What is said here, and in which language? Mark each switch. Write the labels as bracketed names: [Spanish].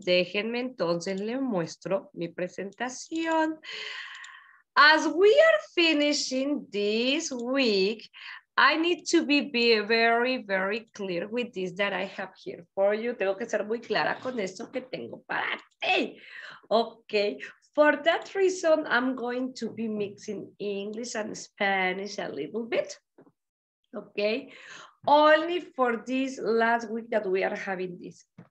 [Spanish] Déjenme entonces le muestro mi presentación. [English] As we are finishing this week, I need to be very, very clear with this that I have here for you. [Spanish] Tengo que ser muy clara con esto que tengo para ti. [English] Okay, for that reason, I'm going to be mixing English and Spanish a little bit. Okay, only for this last week that we are having this.